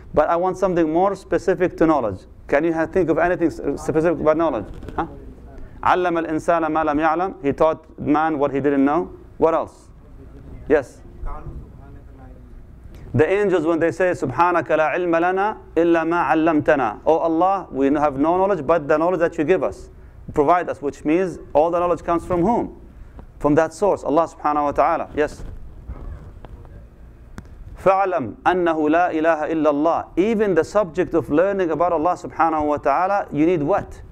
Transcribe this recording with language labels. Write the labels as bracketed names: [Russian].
[English] But I want something more specific to knowledge. Can you think of anything specific about knowledge? [Arabic] Huh? علم الإنسان ما لم يعلم. [English] He taught man what he didn't know. What else? Yes. The angels, when they say [Arabic] سبحانك لا علم لنا إلا ما علمتنا. [English] Oh Allah, we have no knowledge but the knowledge that you give us, provide us, which means all the knowledge comes from whom? From that source, Allah سبحانه وتعالى. Yes. [Arabic] فعلم أنه لا إله إلا الله. [English] Even the subject of learning about Allah سبحانه وتعالى, you need what?